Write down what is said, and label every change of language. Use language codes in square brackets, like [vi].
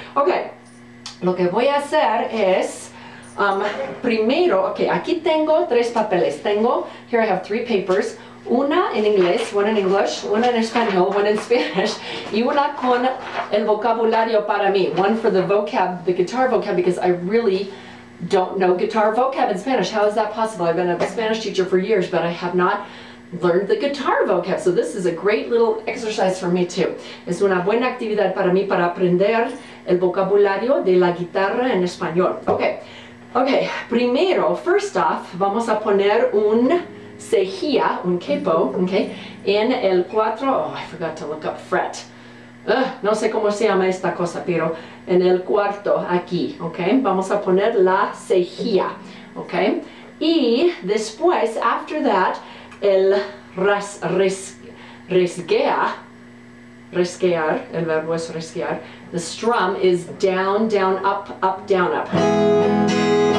[es] Ok, lo que voy a hacer es, primero, ok, aquí tengo tres papeles. Tengo, [en] here I have three papers, [es] una en inglés, [en] one in English, [es] una en español, [en] one in Spanish, [es] y una con el vocabulario para mí. [en] One for the vocab, the guitar vocab, because I really don't know guitar vocab in Spanish. How is that possible? I've been a Spanish teacher for years, but I have not learned the guitar vocab, so this is a great little exercise for me too. [es] Es una buena actividad para mí para aprender el vocabulario de la guitarra en español. Okay. Primero, [en] first off, [es] vamos a poner un cejilla, un capo, okay, en el cuatro. [en] Oh, I forgot to look up fret. [es] No sé cómo se llama esta cosa, pero en el cuarto aquí, okay. Vamos a poner la cejilla, okay. Y después, [en] after that, [es] el resguear, el verbo es resguear, [en] the strum is down, down, up, up, down, up.